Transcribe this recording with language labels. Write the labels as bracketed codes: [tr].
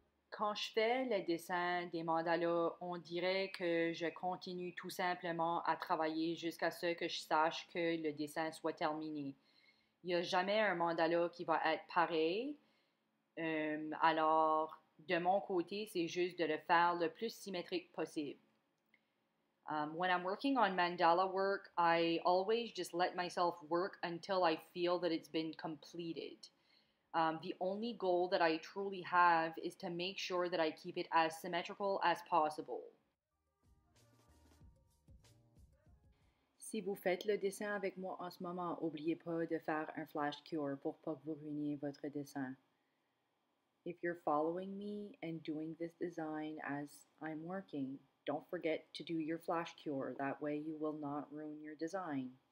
[fr] Quand je fais les dessins des mandalas, on dirait que je continue tout simplement à travailler jusqu'à ce que je sache que le dessin soit terminé. Il n'y a jamais un mandala qui va être pareil. Alors, de mon côté, c'est juste de le faire le plus symétrique possible. [en] When I'm working on mandala work, I always just let myself work until I feel that it's been completed. The only goal that I truly have is to make sure that I keep it as symmetrical as possible. [fr] Si vous faites le dessin avec moi en ce moment, n'oubliez pas de faire un flash cure pour pas que vous ruiniez votre dessin. [en] If you're following me and doing this design as I'm working, don't forget to do your flash cure. That way you will not ruin your design.